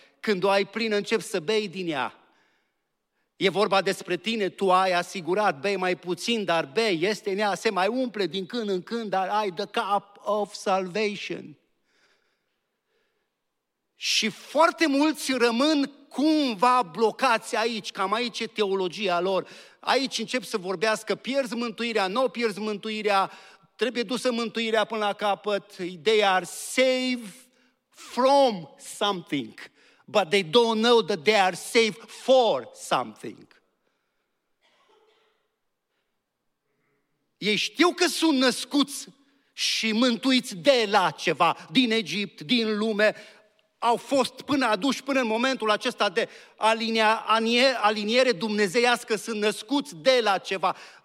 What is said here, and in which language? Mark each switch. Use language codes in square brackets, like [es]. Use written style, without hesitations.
[ro] Când o ai plină, începi să bei din ea. E vorba despre tine, tu ai asigurat, bei mai puțin, dar bei, este în ea, se mai umple din când în când, dar ai [en] the cup of salvation. [ro] Și foarte mulți rămân cumva blocați aici, cam aici e teologia lor. Aici încep să vorbească, pierzi mântuirea, nu pierzi mântuirea, trebuie dusă mântuirea până la capăt. [en] They are saved from something, but they don't know that they are saved for something. [ro] Ei știu că sunt născuți și mântuiți de la ceva, din Egipt, din lume, au fost până aduși, până în momentul acesta de aliniere dumnezeiască, sunt născuți de la ceva.